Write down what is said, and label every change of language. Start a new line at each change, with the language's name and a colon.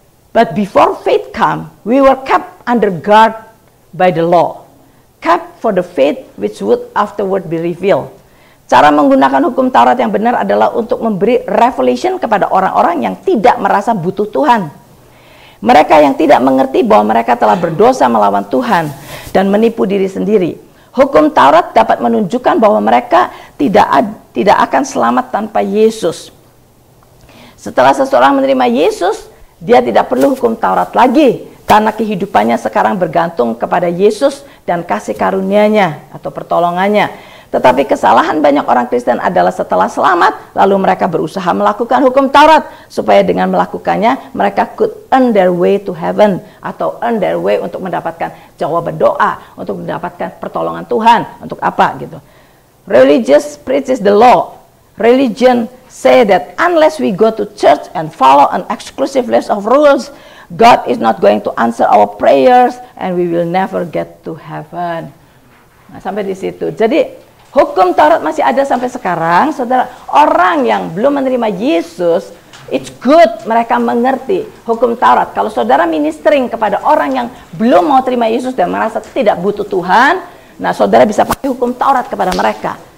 English: But before faith come, we were kept under guard by the law, kept for the faith which would afterward be revealed.
Indonesian: Cara menggunakan hukum Taurat yang benar adalah untuk memberi revelation kepada orang-orang yang tidak merasa butuh Tuhan. Mereka yang tidak mengerti bahwa mereka telah berdosa melawan Tuhan dan menipu diri sendiri. Hukum Taurat dapat menunjukkan bahwa mereka tidak akan selamat tanpa Yesus. Setelah seseorang menerima Yesus, dia tidak perlu hukum Taurat lagi. Karena kehidupannya sekarang bergantung kepada Yesus dan kasih karunia-Nya atau pertolongannya. Tetapi kesalahan banyak orang Kristen adalah setelah selamat, lalu mereka berusaha melakukan hukum Taurat supaya dengan melakukannya mereka
English: could earn their way to heaven
Indonesian: atau
English: earn their way
Indonesian: untuk mendapatkan jawaban doa, untuk mendapatkan pertolongan Tuhan, untuk apa gitu.
English: Religious preaches the law. Religion say that unless we go to church and follow an exclusive list of rules, God is not going to answer our prayers and we will never get to heaven.
Indonesian: Nah, sampai di situ. Jadi hukum Taurat masih ada sampai sekarang, saudara. Orang yang belum menerima Yesus,
English: it's good
Indonesian: mereka mengerti hukum Taurat. Kalau saudara ministering kepada orang yang belum mau terima Yesus dan merasa tidak butuh Tuhan, nah saudara bisa pakai hukum Taurat kepada mereka.